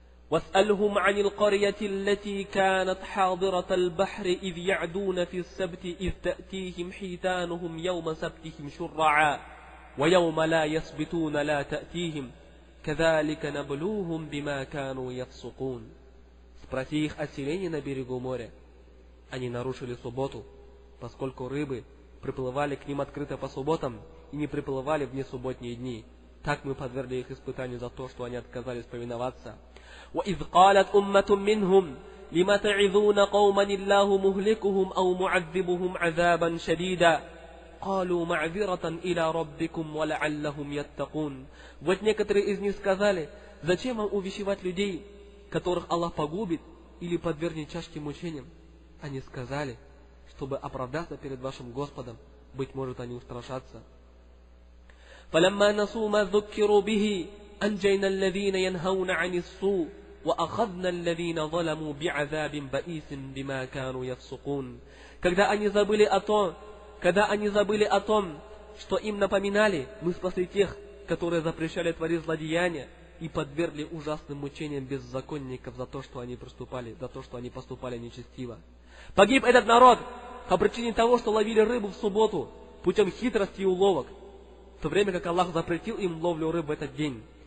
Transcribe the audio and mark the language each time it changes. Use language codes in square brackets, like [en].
[ar] وَاسْأَلْهُمْ عَنِ الْقَرْيَةِ الَّتِي كَانَتْ حَاضِرَةَ الْبَحْرِ إِذْ يَعْدُونَ فِي السَّبْتِ إِذْ تَأْتِيهِمْ حِيتَانُهُمْ يَوْمَ سَبْتِهِمْ شُرَّعًا وَيَوْمَ لَا يَسْبِتُونَ لَا تَأْتِيهِمْ كَذَلِكَ نَبْلُوهُمْ بِمَا كَانُوا يَفْسُقُونَ [ru] Спроси их о селении на берегу моря. Они нарушили субботу, поскольку рыбы приплывали к ним открыто по субботам и не приплывали в несубботние дни. Так мы подвергли их испытанию за то, что они отказались повиноваться. [ar] وإذ قالت أمة منهم لما تعذون قوما الله مهلكهم أو معذبهم عذابا شديدا قالوا معذرة إلى ربكم ولعلهم يتقون. [ru] Вот некоторые из них сказали: зачем вам увещевать людей, которых Аллах погубит или подвергнет тяжким мучениям? Они сказали, чтобы оправдаться перед вашим Господом, быть может, они устрашатся. [ar] فلما نسوا ما ذكروا به أنجينا الذين ينهون عن السوء وأخذنا الذين ظلموا بعذاب بئيس بما كانوا يفسقون. [ru] Когда они забыли о том, что им напоминали, мы спасли тех, которые запрещали творить злодеяния и подвергли ужасным мучениям беззаконников за то, что они приступали, за то, что они поступали нечестиво. Погиб этот народ по причине того, что ловили рыбу в субботу путем хитрости и уловок, в то время как Аллах запретил им ловлю рыб в этот день.